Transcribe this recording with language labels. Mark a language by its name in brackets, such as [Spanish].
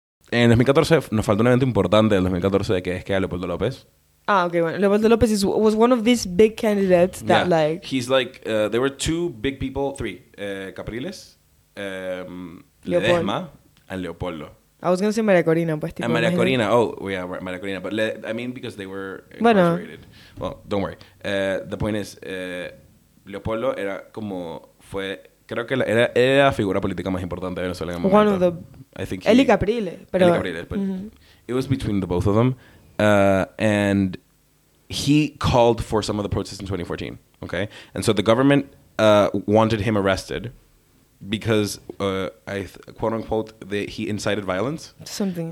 [Spanish] En 2014 nos faltó un evento importante del 2014, que es que Leopoldo López. [English] Ah, okay. Bueno, Leopoldo López is, was one of these big candidates that, yeah, like... He's like... there were two big people, three. Capriles, Ledesma, and Leopoldo. I was going to say María Corina, pues. Tipo, and María Corina. Oh, yeah, María Corina. But I mean, because they were incarcerated. Bueno. Well, don't worry. The point is, Leopoldo [Spanish] era como... Fue... Creo que era la figura política más importante de Venezuela en el momento. [English] One of the... I think Eli Capriles. Pero... Eli Capriles. But mm-hmm. It was between the both of them. And he called for some of the protests in 2014, okay? And so the government wanted him arrested because, quote-unquote, he incited violence. Something.